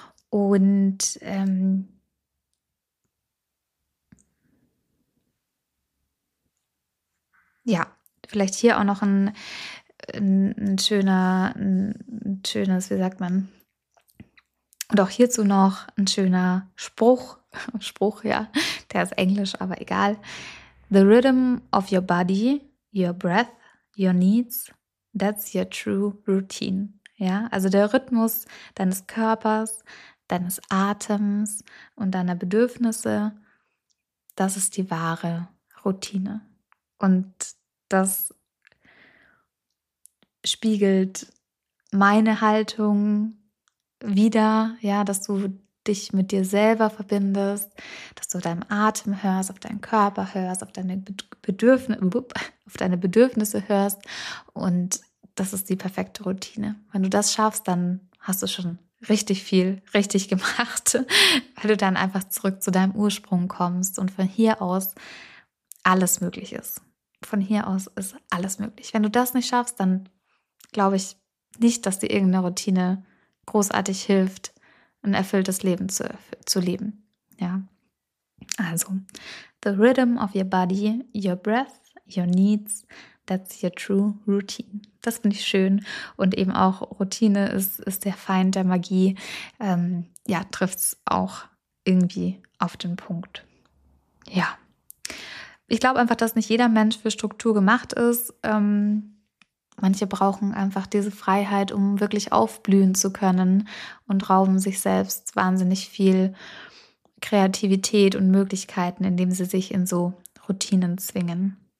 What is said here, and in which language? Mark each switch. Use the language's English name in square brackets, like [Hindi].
[German] Und ja, vielleicht hier auch noch ein schönes, wie sagt man, und auch hierzu noch ein schöner Spruch, ja, der ist Englisch, aber egal. [English] The rhythm of your body, your breath, your needs, that's your true routine. [German] Ja, also der Rhythmus deines Körpers, deines Atems und deiner Bedürfnisse, das ist die wahre Routine. Und das spiegelt meine Haltung wieder, ja, dass du dich mit dir selber verbindest, dass du deinem Atem hörst, auf deinen Körper hörst, auf deine Bedürfnisse hörst. Und das ist die perfekte Routine. Wenn du das schaffst, dann hast du schon richtig viel richtig gemacht, weil du dann einfach zurück zu deinem Ursprung kommst und von hier aus alles möglich ist. Von hier aus ist alles möglich. Wenn du das nicht schaffst, dann glaube ich nicht, dass dir irgendeine Routine großartig hilft, ein erfülltes Leben zu leben. Ja. [English] Also, the rhythm of your body, your breath, your needs, that's your true routine. [German] Das finde ich schön. Und eben auch Routine ist der Feind der Magie. Trifft es auch irgendwie auf den Punkt. Ja. Ich glaube einfach, dass nicht jeder Mensch für Struktur gemacht ist. Manche brauchen einfach diese Freiheit, um wirklich aufblühen zu können und rauben sich selbst wahnsinnig viel Kreativität und Möglichkeiten, indem sie sich in so Routinen zwingen.